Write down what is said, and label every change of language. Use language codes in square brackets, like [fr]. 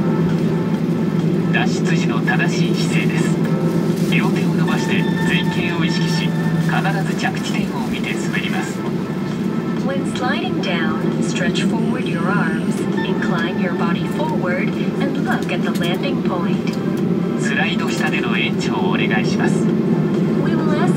[ja] 正しい姿勢です。両手を伸ばして前傾を意識し、必ず着地点を見て滑ります。 [en] When sliding down, stretch forward your arms, incline your body forward and look at the landing point. [ja] スライド下での延長をお願いします。